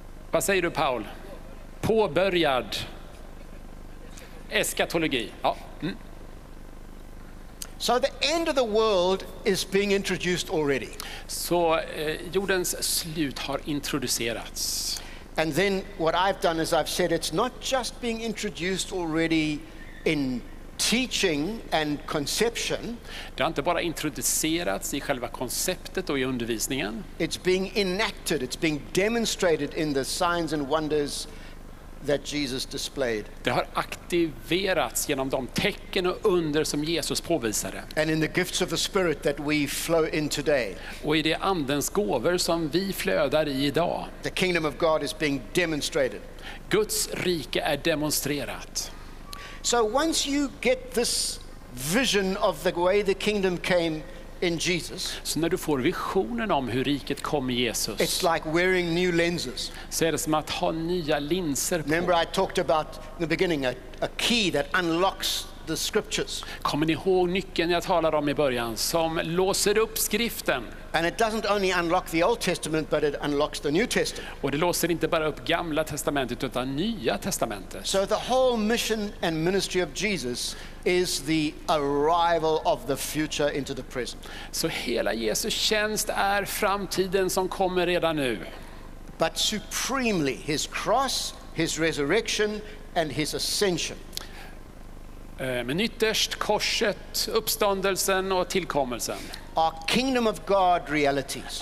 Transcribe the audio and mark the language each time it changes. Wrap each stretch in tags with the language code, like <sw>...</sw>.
<sv>Vad säger du, Paul? Påbörjad Eskatologi. Ja. Mm.</sv> <en>So the end of the world is being introduced already.</en> <sv>Så jordens slut har introducerats.</sv> <en>And then what I've done is I've said it's not just being introduced already in teaching and conception.</en> <sv>Det har inte bara introducerats I själva konceptet och I undervisningen.</sv> <en>It's being enacted, it's being demonstrated in the signs and wonders that Jesus displayed.</en> <sv>Det har aktiverats genom de tecken och under som Jesus påvisade.</sv> <en>And in the gifts of the Spirit that we flow in today.</en> <sv>Och I de andens gåvor som vi flödar I idag.</sv> <en>The kingdom of God is being demonstrated.</en> <sv>Guds rike är demonstrerat.</sv> <en>So once you get this vision of the way the kingdom came in Jesus.</en> <sv>Så när du får visionen om hur riket kom I Jesus.</sv> <en>It's like wearing new lenses.</en> <sv>Så är det som att ha nya linser på.</sv> <en>Remember I talked about in the beginning a key that unlocks the scriptures.</en> <sv>Kommer ni ihåg nyckeln jag talade om I början som låser upp skriften?</sv> <en>And it doesn't only unlock the Old Testament but it unlocks the New Testament.</en> <sv>Och det låser inte bara upp Gamla testamentet utan Nya testamentet.</sv> <en>So the whole mission and ministry of Jesus is the arrival of the future into the present.</en> <sv>Så hela Jesu tjänst är framtiden som kommer redan nu.</sv> <en>But supremely his cross, his resurrection and his ascension.</en> <sv>Men ytterst korset, uppståndelsen och tillkommelsen.</sv> <en>Are kingdom of God realities.</en>